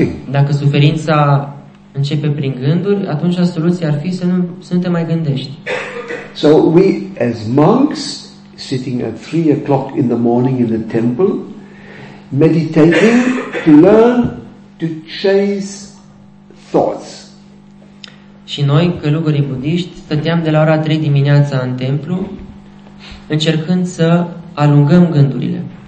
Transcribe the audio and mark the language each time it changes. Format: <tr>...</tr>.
<ro>Dacă suferința începe prin gânduri, atunci soluția ar fi să nu te mai gândești.</ro> <en>So we as monks sitting at 3 o'clock in the morning in the temple, meditating to learn to chase thoughts.</en> <ro>Și noi, călugării budiști, stăteam de la ora 3 dimineața în templu, încercând să alungăm gândurile.</ro>